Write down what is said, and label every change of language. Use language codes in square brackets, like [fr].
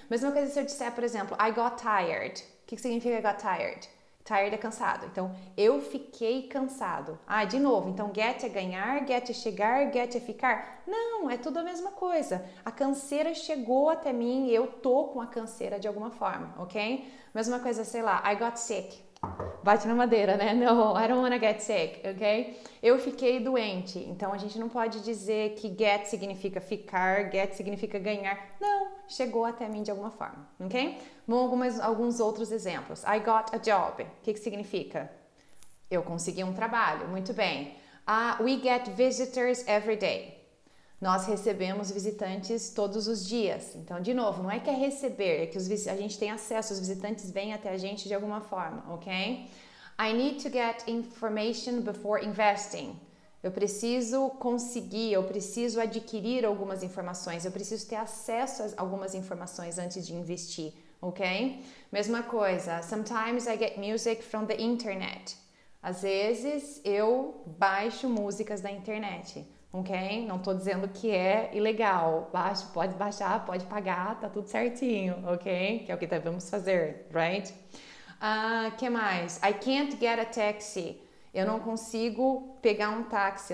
[pt] Mesma coisa se eu disser, por exemplo, I got tired. O que que significa I got tired? Tired é cansado. Então, eu fiquei cansado. Ah, de novo. Então, get é ganhar, get é chegar, get é ficar. Não, é tudo a mesma coisa. A canseira chegou até mim e eu tô com a canseira de alguma forma, ok? Mesma coisa, sei lá, I got sick. Bate na madeira, né? [en] No, I don't wanna get sick, ok? [pt] Eu fiquei doente. Então, a gente não pode dizer que get significa ficar, get significa ganhar. Não, chegou até mim de alguma forma, ok? Alguns outros exemplos. I got a job. O que que significa? Eu consegui um trabalho. Muito bem. [en] We get visitors every day. [pt] Nós recebemos visitantes todos os dias. Então, de novo, não é que é receber, é que a gente tem acesso, os visitantes vêm até a gente de alguma forma, ok? [en] I need to get information before investing. [pt] Eu preciso conseguir, eu preciso adquirir algumas informações, eu preciso ter acesso a algumas informações antes de investir. Ok? Mesma coisa. [en] Sometimes I get music from the internet. [pt] Às vezes eu baixo músicas da internet. Ok? Não estou dizendo que é ilegal. Baixo, pode baixar, pode pagar, tá tudo certinho. Ok? Que é o que devemos fazer, right? Que mais? I can't get a taxi. Eu não consigo pegar um táxi.